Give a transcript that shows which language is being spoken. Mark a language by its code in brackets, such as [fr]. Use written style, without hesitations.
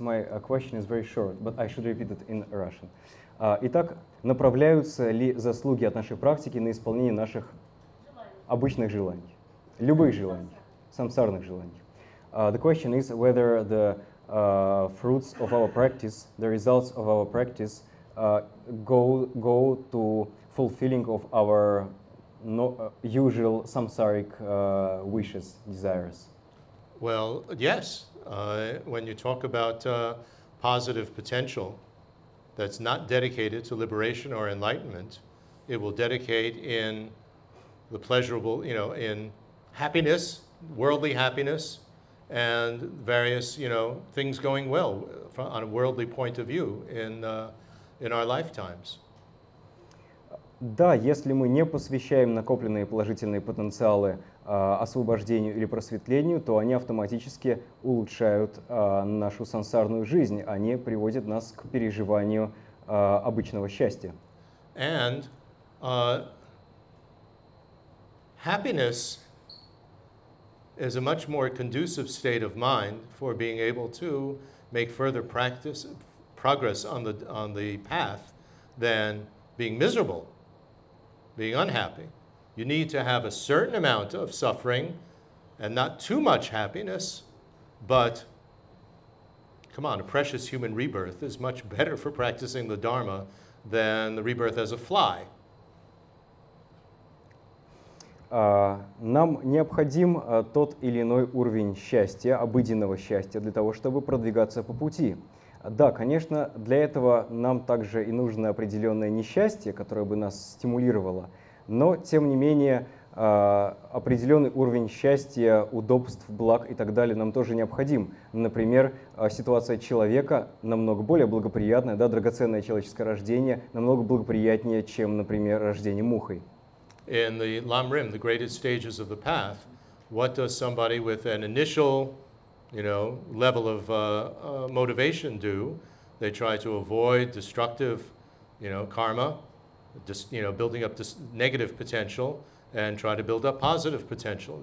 [en] My question is very short, but I should repeat it in Russian. [ru] Итак, направляются ли заслуги от нашей практики на исполнение наших желаний. Обычных желаний, любых желаний, самсарных желаний? [en] The question is whether the fruits of our practice, the results of our practice, go to fulfilling of our usual samsaric wishes, desires. Well, yes. When you talk about positive potential that's not dedicated to liberation or enlightenment, it will dedicate in the pleasurable, you know, in happiness, worldly happiness, and various, you know, things going well on a worldly point of view in our lifetimes. [ru] Да, если мы не посвящаем накопленные положительные потенциалы освобождению или просветлению, то они автоматически улучшают нашу сансарную жизнь. Они приводят нас к переживанию обычного счастья. [en] And happiness is a much more conducive state of mind for being able to make further practice progress on the path than being miserable, being unhappy. You need to have a certain amount of suffering and not too much happiness, but come on, a precious human rebirth is much better for practicing the Dharma than the rebirth as a fly. [ru] Нам необходим тот или иной уровень счастья, обыденного счастья, для того, чтобы продвигаться по пути. Да, конечно, для этого нам также и нужно определенное несчастье, которое бы нас стимулировало. Но, тем не менее, определенный уровень счастья, удобств, благ и так далее нам тоже необходим. Например, ситуация человека намного более благоприятная, да, драгоценное человеческое рождение намного благоприятнее, чем, например, рождение мухой. [en] In the Lam Rim, the greatest stages of the path, what does somebody with an initial, you know, level of motivation do? They try to avoid destructive, you know, karma. Just, you know, building up this negative potential and try to build up positive potential.